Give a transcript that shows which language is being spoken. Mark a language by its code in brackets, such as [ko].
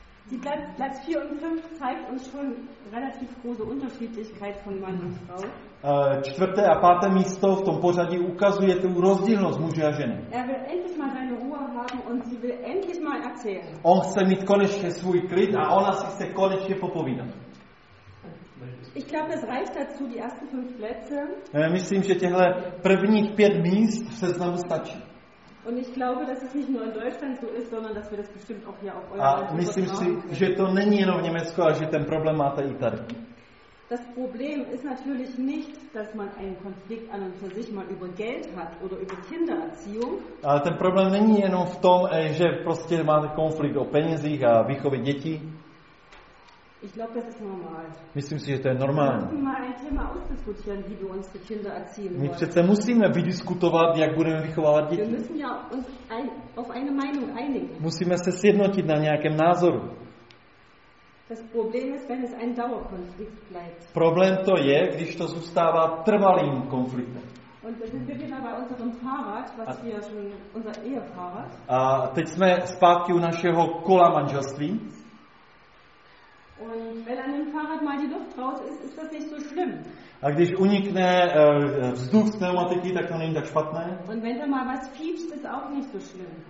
[de] Die Platz 4 und 5 zeigt uns schon relativ große Unterschiedlichkeit von Mann und Frau. [cs] Čtvrté a páté místo v tom pořadí ukazuje tu rozdílnost muže a ženy. [de] Er will endlich mal seine Ruhe haben und sie will endlich mal erzählen. [cs] On chce mít konečně svůj klid a ona si chce konečně popovídat. [de] Ich glaube, es reicht dazu die ersten 5 Plätze. [cs] Myslím, že těchhle prvních 5 míst v seznamu stačí. [de] Und ich glaube, dass es nicht nur in Deutschland so ist, sondern dass wir das bestimmt auch hier auf eurem. [cs] Myslím si, že to není jenom v Německu, ale že ten problém máte i tady. [de] Das Problem ist natürlich nicht, dass man einen Konflikt an und für sich mal über Geld hat oder über Kindererziehung. [cs] Ale ten problém není jenom v tom, že prostě máte konflikt o penězích a výchově dětí. [de] Ich glaube, das ist normal. [cs] Myslím si, že to je normální. [de] Wir müssen mal ein Thema ausdiskutieren, wie wir unsere Kinder erziehen wollen. [cs] My přece musíme vydiskutovat, jak budeme vychovávat děti. [de] Wir müssen ja uns auf eine Meinung einigen. [cs] Musíme se sjednotit na nějakém názoru. [de] Das Problem ist, wenn es ein Dauerkonflikt bleibt. [cs] Problém to je, když to zůstává trvalým konfliktem. [de] Und das sind wir wieder bei unserem Fahrrad, was wir schon unser Ehefahrrad. [cs] A teď jsme zpátky u našeho kola manželství. [de] Und wenn an dem Fahrrad mal die Luft raus ist, ist das nicht so schlimm. [cs] A když unikne vzduch z pneumatiky, tak to není tak špatné. [de] Und wenn da mal was fiepst, ist auch nicht so schlimm.